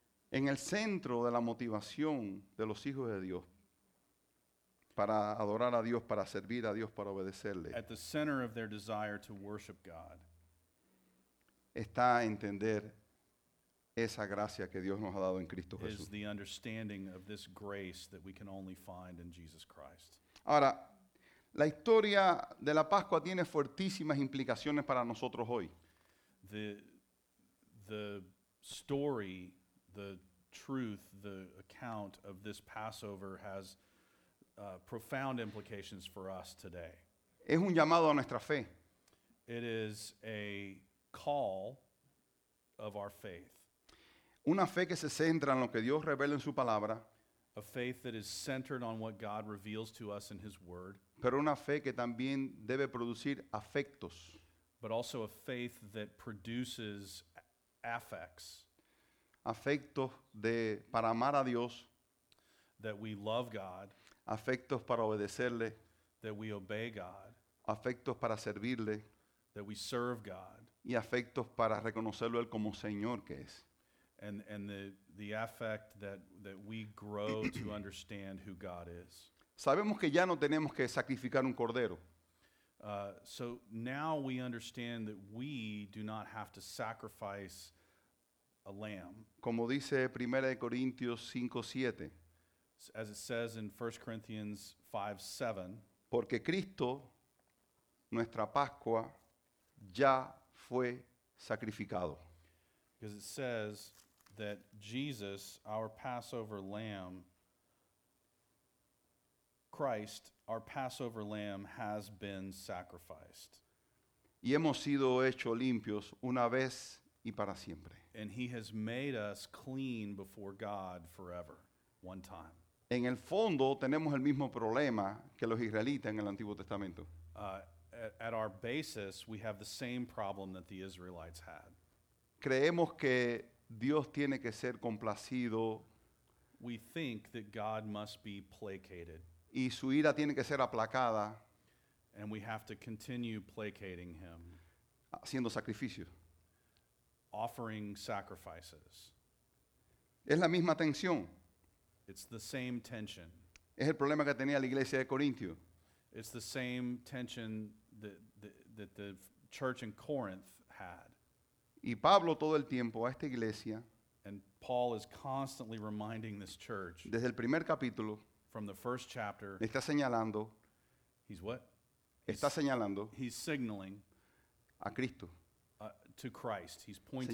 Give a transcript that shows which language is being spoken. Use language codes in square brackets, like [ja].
[es] En el centro de la motivación de los hijos de Dios para adorar a Dios, para servir a Dios, para obedecerle. [en] At the center of their desire to worship God. [es] Está a entender esa gracia que Dios nos ha dado en Cristo Jesús. [en] Is the understanding of this grace that we can only find in Jesus Christ. [es] Ahora, la historia de la Pascua tiene fuertísimas implicaciones para nosotros hoy. [en] The story, the truth, the account of this Passover has profound implications for us today. [es] Es un llamado a nuestra fe. [en] It is a call of our faith. [es] Una fe que se centra en lo que Dios revela en su palabra. [en] A faith that is centered on what God reveals to us in his word. [es] Pero una fe que también debe producir afectos. [en] But also a faith that produces affects. [es] Afectos de para amar a Dios. [en] That we love God. [es] Afectos para obedecerle. [en] That we obey God. [es] Afectos para servirle. [en] That we serve God. [es] Y afectos para reconocerlo él como Señor que es. [en] And the affect that we grow to understand who God is. [es] Sabemos que ya no tenemos que sacrificar un cordero. [en] So now we understand that we do not have to sacrifice a lamb. [es] Como dice 1 Corintios 5:7. [en] As it says in 1 Corinthians 5:7. [es] Porque Cristo, nuestra Pascua, ya fue sacrificado. [en] Because it says that Jesus, our Passover lamb, Christ, our Passover lamb, has been sacrificed. [es] Y hemos sido hechos limpios una vez y para siempre. [en] And he has made us clean before God forever, one time. [es] En el fondo tenemos el mismo problema que los israelitas en el Antiguo Testamento. [en] At our basis, we have the same problem that the Israelites had. [es] Creemos que Dios tiene que ser complacido. [en] We think that God must be placated. [es] Y su ira tiene que ser aplacada. [en] And we have to continue placating him. [es] Haciendo sacrificios. [en] Offering sacrifices. [es] Es la misma tensión. [en] It's the same tension. [es] Es el problema que tenía la iglesia de Corintio. [en] It's the same tension that the church in Corinth had. [es] Y Pablo todo el tiempo a esta iglesia. [en] And Paul is constantly reminding this church. [es] Desde el primer capítulo. [en] From the first chapter. [es] Está señalando. [en] He's what? [es] Está señalando. [en] He's signaling. [es] A Cristo. [en] To Christ. He's pointing